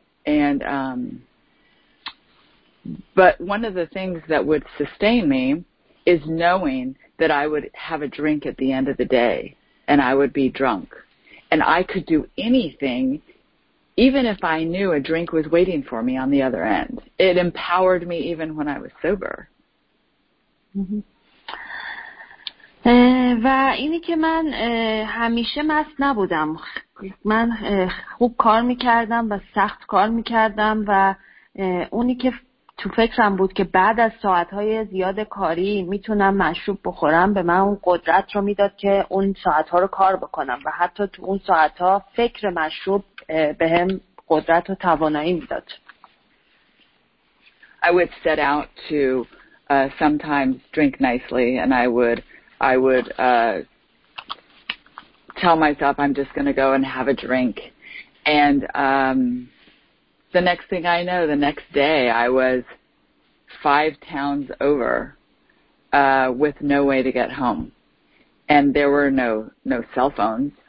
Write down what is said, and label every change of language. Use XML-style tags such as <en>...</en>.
<en>And but one of the things that would sustain me is knowing that I would have a drink at the end of the day, and I would be drunk. And I could do anything, even if I knew a drink was waiting for me on the other end. It empowered me even when I was sober.</en> <fa>و اینی که من همیشه مست نبودم، من خوب کار میکردم و سخت کار میکردم، و اونی که تو فکرم بود که بعد از ساعتهای زیاد کاری میتونم مشروب بخورم به من اون قدرت رو میداد که اون ساعتها رو کار بکنم، و حتی تو اون ساعتها فکر مشروب به هم قدرت و توانایی میداد.</fa> <en>I would set out to sometimes drink nicely, and I would tell myself I'm just going to go and have a drink, and the next thing I know, the next day I was 5 towns over with no way to get home, and there were no cell phones.</en>